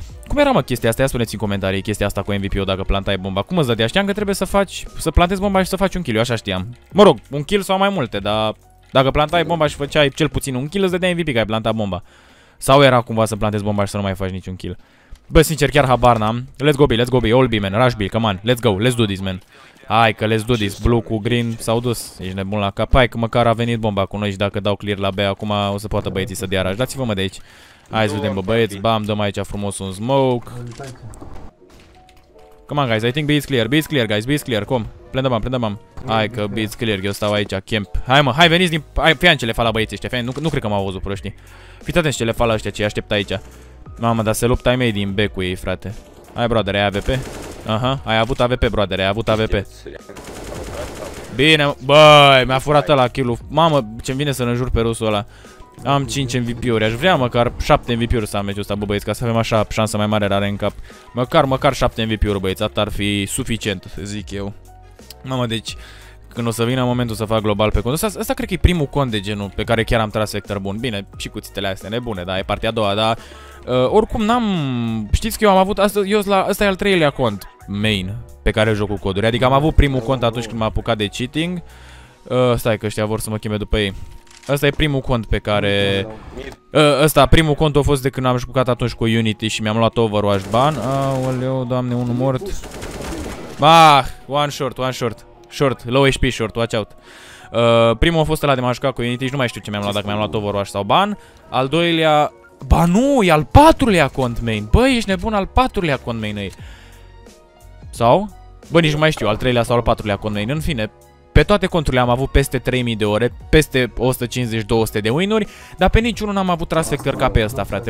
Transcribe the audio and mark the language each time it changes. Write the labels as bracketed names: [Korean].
[Romanian] Cum era, mă, chestia asta? Ia spuneți în comentarii chestia asta cu MVP-ul dacă plantai bomba. Cum îți dădea? Știam că trebuie să faci... Să plantezi bomba și să faci un kill, eu așa știam. Mă rog, un kill sau mai multe, dar... Dacă plantai bomba și făceai cel puțin un kill, îți dădea MVP că ai plantat bomba. Sau era cumva să plantezi bomba și să nu mai faci niciun kill. Bă, sincer, chiar habar n-am. [English] Let's go B, let's go B, all B, man, rush B, come on, let's go, let's do this, man. [Romanian] Hai că [English] let's do this, [Romanian] blue cu green s-au dus, ești nebun la cap. Hai că măcar a venit bomba cu noi și dacă dau clear la B, acum o să poată băieții să dea rush. Dați-vă mă de aici. Hai să vedem, bă, băieți, bam, dăm aici frumos un smoke. [English] Come on, guys, I think B is clear, B is clear, guys, B is clear, come. Plendam, plendam. [Romanian] Hai că [English] B is clear, [Romanian] eu stau aici, camp. Hai mă, hai veniți din... Hai, fii ce le fac la băieții ăștia, fii, nu cred că m-au văzut proștii. Fiți atenți ce le fac la ăștia, ce îi aștept aici. Mamă, dar se luptă ai mei din B cu ei, frate. Hai, brother, ai AVP? Aha, ai avut AVP, brother, ai avut AVP. Bine, băi, mi-a furat ăla kill-ul. Mamă, ce-mi vine să-l înjur pe rusul ăla. Am 5 MVP-uri, aș vrea măcar 7 MVP-uri să am meciul ăsta, bă, băieți, ca să avem așa șansa mai mare rare în cap. Măcar 7 MVP-uri, băieți, atât ar fi suficient, zic eu. Mamă, deci când o să vină momentul să fac global pe contul ăsta, cred că e primul cont de genul pe care chiar am tras sector bun. Bine, și cuțitele astea nebune, da, e partea a doua, dar oricum n-am, știți că eu am avut ăsta e al treilea cont main pe care joc cu coduri. Adică am avut primul cont atunci când m-am apucat de cheating. Stai că ăștia vor să mă cheme după ei. Ăsta e primul cont pe care primul cont a fost de când am jucat atunci cu Unity și mi-am luat Overwatch ban. Aoleu, doamne, unul mort. Ah, [English] one short. Short, low HP short, watch out. [Romanian] Primul a fost ăla de m-am jucat cu Unity și nu mai știu ce mi-am luat, dacă mi-am luat Overwatch sau ban. Al doilea, ba nu, e al patrulea cont main. Băi, ești nebun, al patrulea cont main ei. Sau? Bă, nici nu mai știu, al treilea sau al patrulea cont main. În fine, pe toate conturile am avut peste 3000 de ore, peste 150-200 de win-uri, dar pe niciunul n-am avut tras sector ca pe ăsta, frate.